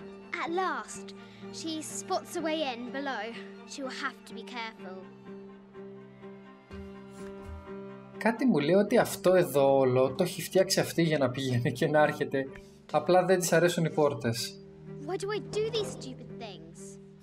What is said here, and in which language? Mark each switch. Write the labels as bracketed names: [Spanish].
[English] At last, she spots a way in below. She will have to be careful. [Greek] Κάτι μου λέει ότι αυτό εδώ όλο το έχει φτιάξει αυτή για να πηγαίνει και να έρχεται. Απλά δεν της αρέσουν οι πόρτες. [English] Why do I do these stupid things?